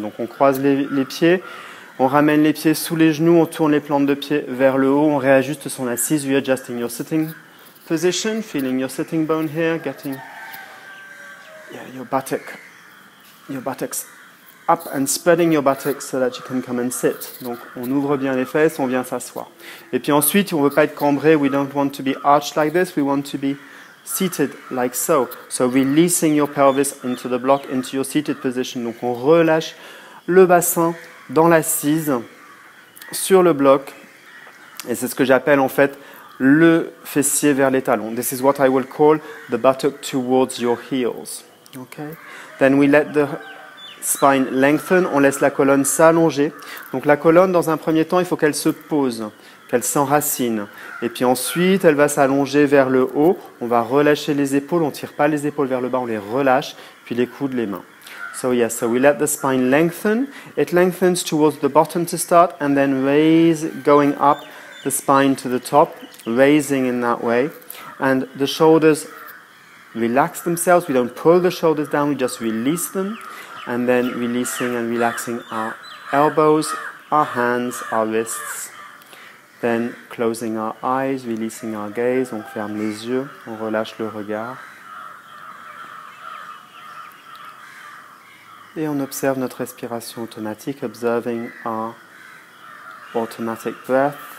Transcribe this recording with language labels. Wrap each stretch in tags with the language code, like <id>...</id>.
<fr>Donc on croise les pieds, on ramène les pieds sous les genoux, on tourne les plantes de pieds vers le haut, on réajuste son assise,</fr> <en>readjusting your sitting position, feeling your sitting bone here, getting your buttocks. Up and spreading your buttocks so that you can come and sit.</en> <fr>Donc, on ouvre bien les fesses, on vient s'asseoir. Et puis ensuite, on ne veut pas être cambré.</fr> <en>We don't want to be arched like this. We want to be seated like so. So, releasing your pelvis into the block, into your seated position.</en> <fr>Donc, on relâche le bassin dans l'assise, sur le bloc. Et c'est ce que j'appelle, en fait, le fessier vers les talons.</fr> <en>This is what I will call the buttock towards your heels. Okay? Then we let the spine lengthen,</en> <fr>on laisse la colonne s'allonger. Donc la colonne, dans un premier temps, il faut qu'elle se pose, qu'elle s'enracine. Et puis ensuite, elle va s'allonger vers le haut. On va relâcher les épaules, on ne tire pas les épaules vers le bas, on les relâche, puis les coudes, les mains.</fr> <en>So yes, so we let the spine lengthen. It lengthens towards the bottom to start, and then raise, going up the spine to the top, raising in that way. And the shoulders relax themselves. We don't pull the shoulders down, we just release them. And then releasing and relaxing our elbows, our hands, our wrists. Then closing our eyes, releasing our gaze.</en> <fr>On ferme les yeux, on relâche le regard. Et on observe notre respiration automatique,</fr> <en>observing our automatic breath.</en>